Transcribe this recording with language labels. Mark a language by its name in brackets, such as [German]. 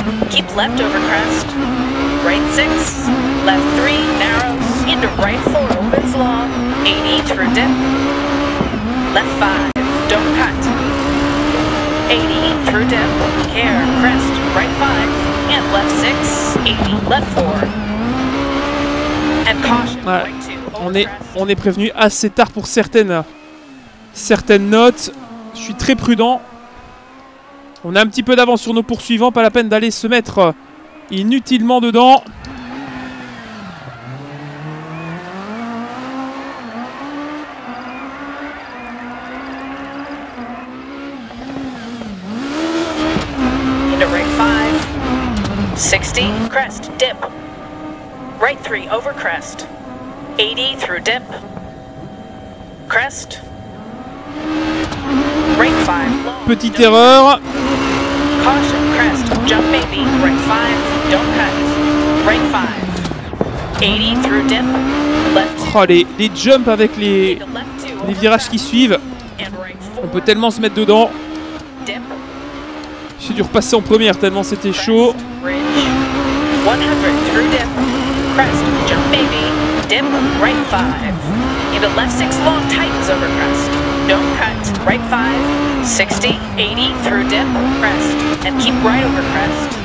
[English] Keep left over crest, right 6, left 3, narrows, into right 4, opens long, 80 through dip. Left 5, don't cut, 80 through dip, care, crest, right 5, and left 6, 80, left 4. And caution, right 2, over crest. [French] On est prévenu assez tard pour certaines notes. Je suis très prudent. On a un petit peu d'avance sur nos poursuivants. Pas la peine d'aller se mettre inutilement dedans. [English] Into right 5. 60. Crest. Dip. Right 3. Over crest. 80 through dip. Crest. [French] Petite erreur. [English] Caution, crest, jump baby, right 5, don't cut, right 5, 80 through dip, left 2. [French] Oh, les jumps avec les virages qui suivent, on peut tellement se mettre dedans. J'ai dû repasser en première tellement c'était chaud. [English] 100 through dip, crest, jump baby, dip, right 5, into left 6, long tightens over crest. Don't cut. Right 5, 60, 80 through dip, crest. And keep right over crest.